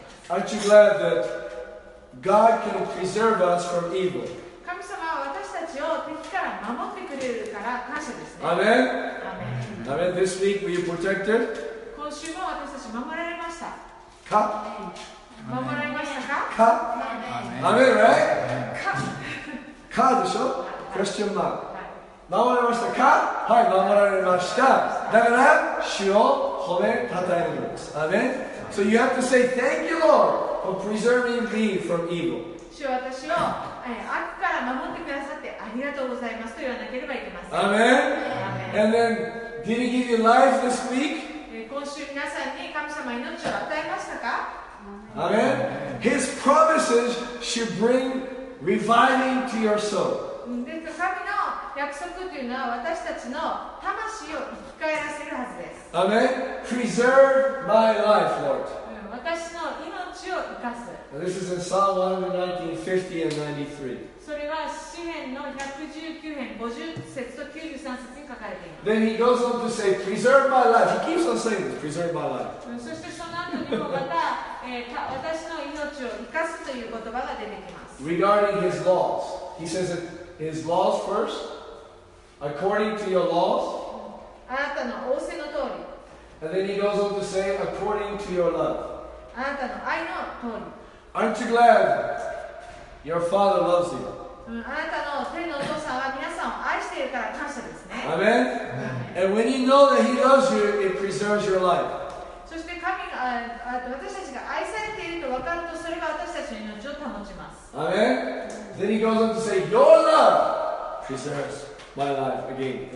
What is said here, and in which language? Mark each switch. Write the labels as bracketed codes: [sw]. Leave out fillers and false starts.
[en] Aren't you glad that God can preserve us from evil. [ja] 神様は私たちを敵から守ってくれるから感謝ですね。 [en] Amen. Amen. This week, were you protected? [ja] 今週も私たち守られましたか守られましたかか [en] Amen. Amen, right? [ja] かかでしょ [en] Question mark. [ja] 守られましたかはい、守られました。だから、主を褒めたたえるんです。 [en] Amen. So you have to say, thank you, Lord. For preserving me from evil. [ja] 主は私を悪から守ってくださってありがとうございますと言わなければいけません。 [en] Amen. And then, did He give you life this week? [ja] 今週皆さんに神様命を与えましたか? [en] Amen. His promises should bring reviving to your soul. [ja] で、神の約束というのは私たちの魂を生き返らせるはずです。 [en] Amen. Preserve my life, Lord. [ja] 私の命を生かす。 [en] This is in Psalm 119, 50 and 93. [ja] それは詩編の119編50節と93節に書かれています。 [en] Then he goes on to say, preserve my life. He keeps on saying this, preserve my life. [ja] そしてその後にもまた私の命を生かすという言葉が出てきます。 [en] Regarding his laws. He says that his laws first, according to your laws. [ja] あなたの仰せの通り。 [en] And then he goes on to say, according to your love. [ja] あなたの愛の通り。 [en] Aren't you glad your father loves you? [ja] あなたの天のお父さんは皆さんを愛しているから感謝ですね。 [en] Amen. And when you know that He loves you, it preserves your life. [ja] そして神が私たちが愛されていると分かるとそれが私たちの命を保ちます。 [en] Amen. Then He goes on to say, Your love preserves my life again.